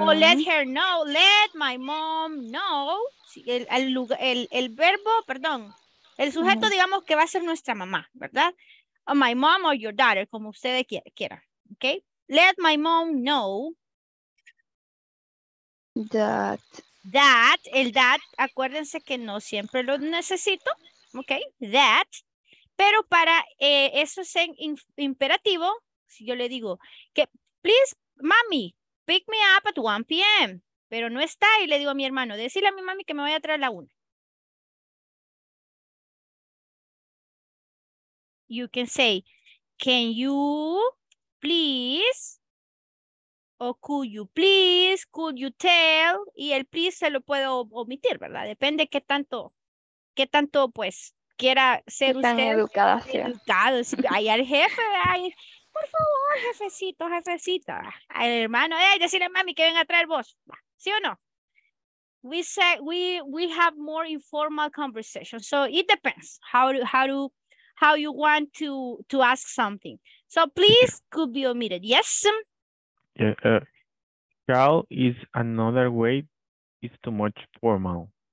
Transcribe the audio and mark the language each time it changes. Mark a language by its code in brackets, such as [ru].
[en] O let her know, let my mom know. [es] Sí, el verbo, perdón, el sujeto, mm-hmm. digamos que va a ser nuestra mamá, ¿verdad? [en] O my mom or your daughter, [es] como ustedes quieran, [en] ¿ok? Let my mom know that... [es] That, el that, acuérdense que no siempre lo necesito, ok, that, pero para eso es en imperativo, si yo le digo que, [en] please, mami, pick me up at 1 p.m., [es] pero no está, y le digo a mi hermano, decirle a mi mami que me vaya a traer la una. [en] You can say, can you, please... [es] O [en] could you tell, [es] y el please se lo puedo omitir, ¿verdad? Depende qué tanto pues quiera ser tan usted educada, educado. Ahí al jefe, ahí, por favor, jefecito, jefecita, al hermano, decirle a mami que venga a traer vos, ¿sí o no? [en] We say we have more informal conversation, so it depends how you want to ask something. So please could be omitted. Yes. Shall is another way, it's too much formal.